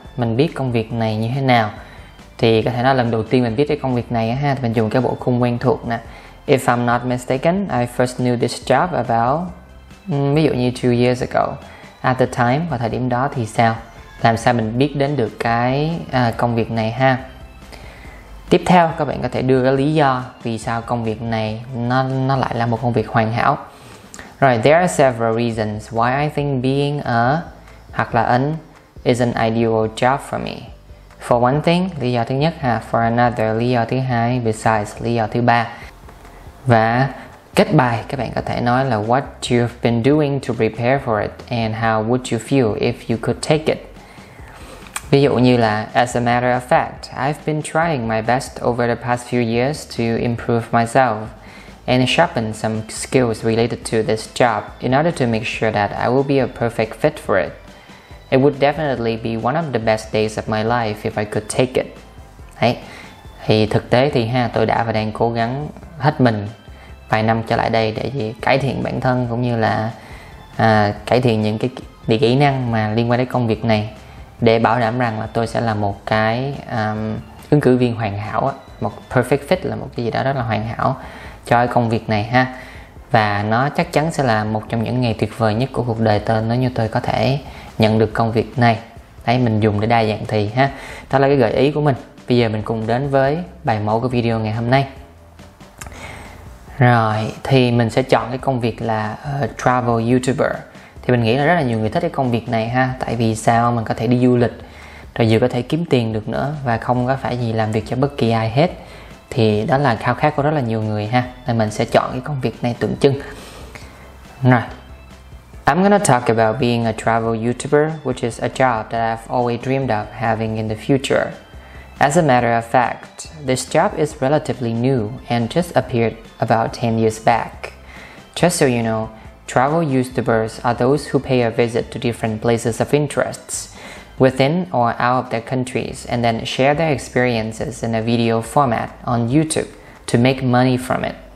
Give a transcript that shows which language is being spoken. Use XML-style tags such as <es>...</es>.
<vi>Mình biết công việc này như thế nào? Thì có thể nói lần đầu tiên mình biết cái công việc này ha, mình dùng cái bộ khung quen thuộc nè.</vi> <en>If I'm not mistaken, I first knew this job about</en> <vi>ví dụ như</vi> <en>2 years ago. At the time,</en> <vi>vào thời điểm đó thì sao? Làm sao mình biết đến được cái công việc này ha? Tiếp theo, các bạn có thể đưa cái lý do vì sao công việc này nó lại là một công việc hoàn hảo.</vi> <en>Right, there are several reasons why I think being a</en> <vi>hoặc là</vi> <en>an is an ideal job for me. For one thing,</en> <vi>lý do thứ nhất ha.</vi> <en>For another,</en> <vi>lý do thứ hai.</vi> <en>Besides,</en> <vi>lý do thứ ba. Và kết bài, các bạn có thể nói là</vi> <en>what you've been doing to prepare for it and how would you feel if you could take it.</en> <vi>Ví dụ như là</vi> <en>as a matter of fact, I've been trying my best over the past few years to improve myself and sharpen some skills related to this job in order to make sure that I will be a perfect fit for it. It would definitely be one of the best days of my life if I could take it.</en> <vi>Đấy. Thì thực tế thì ha, tôi đã và đang cố gắng hết mình vài năm trở lại đây để gì? Cải thiện bản thân cũng như là cải thiện những cái kỹ năng mà liên quan đến công việc này để bảo đảm rằng là tôi sẽ là một cái ứng cử viên hoàn hảo, một</vi> <en>perfect fit,</en> <vi>là một cái gì đó rất là hoàn hảo cho cái công việc này ha. Và nó chắc chắn sẽ là một trong những ngày tuyệt vời nhất của cuộc đời tôi nếu như tôi có thể nhận được công việc này. Đấy, mình dùng để đa dạng thì ha. Đó là cái gợi ý của mình. Bây giờ mình cùng đến với bài mẫu của video ngày hôm nay. Rồi, thì mình sẽ chọn cái công việc là travel youtuber. Thì mình nghĩ là rất là nhiều người thích cái công việc này ha. Tại vì sao? Mình có thể đi du lịch, rồi vừa có thể kiếm tiền được nữa, và không có phải gì làm việc cho bất kỳ ai hết. Thì đó là khao khát của rất là nhiều người ha. Nên mình sẽ chọn cái công việc này tượng trưng.</vi> <en>Rồi, I'm gonna talk about being a travel YouTuber, which is a job that I've always dreamed of having in the future. As a matter of fact, this job is relatively new and just appeared about 10 years back. Just so you know, travel YouTubers are those who pay a visit to different places of interest within or out of their countries and then share their experiences in a video format on YouTube to make money from it.</en>